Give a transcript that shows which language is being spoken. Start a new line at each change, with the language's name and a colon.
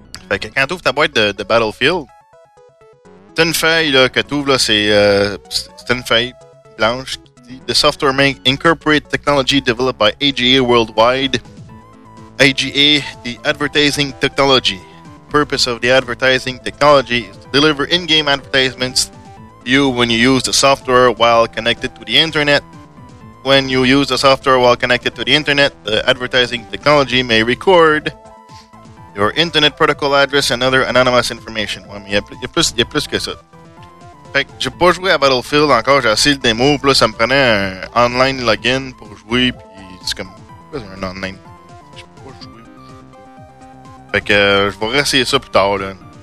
French: Fait que quand tu ouvres ta boîte de Battlefield, c'est une feuille là, que tu ouvres. C'est une feuille blanche.
English: The software may incorporate technology developed by AGA Worldwide. AGA, the advertising technology. Purpose of the advertising technology is to deliver in-game advertisements to you when you use the software while connected to the internet. When you use the software while connected to the internet, the advertising technology may record your internet protocol address and other anonymous information.
French: Ouais, mais il y a plus que ça. Fait que j'ai pas joué à Battlefield encore, j'ai essayé le démo, pis là ça me prenait un online login pour jouer, pis c'est comme quoi un online. Fait que je vais réessayer ça plus tard, là.